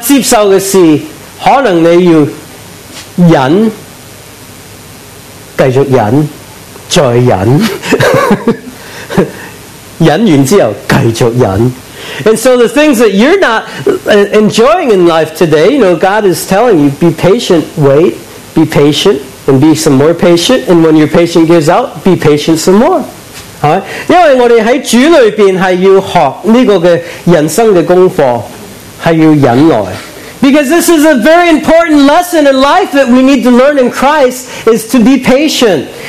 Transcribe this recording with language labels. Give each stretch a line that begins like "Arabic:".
Chinese: 他意思就是很明显耶稣在教我们无论你经历什么事你不开心的事你是难接受的事可能你要忍，继续忍，再忍，忍完之后继续忍。
English: And so the things that you're not enjoying in life today, you know, God is telling you, be patient, wait, be patient, and be some more patient, and when your patience gives out, be patient some more. Right?
Chinese: 因为我们在主里面是要学这个人生的功课，是要忍耐。
English: Because this is a very important lesson in life that we need to learn in Christ is to be patient.